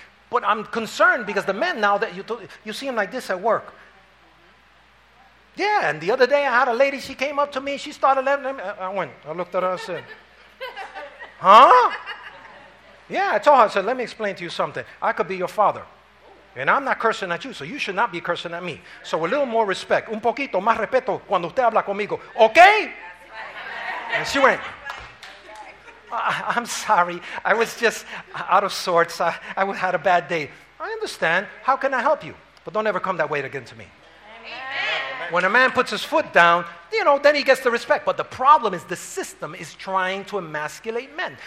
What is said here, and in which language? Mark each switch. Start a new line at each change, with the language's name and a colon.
English: But I'm concerned because the men now that you see them like this at work. Yeah, and the other day I had a lady, she came up to me, she started letting them, I looked at her and said, huh? Yeah, I told her, I said, let me explain to you something. I could be your father, and I'm not cursing at you, so you should not be cursing at me. So a little more respect,
Spanish: un poquito más respeto cuando usted habla conmigo,
English: okay? And she went, I'm sorry, I was just out of sorts, I had a bad day. I understand, how can I help you? But don't ever come that way again to me. When a man puts his foot down, you know, then he gets the respect. But the problem is the system is trying to emasculate men.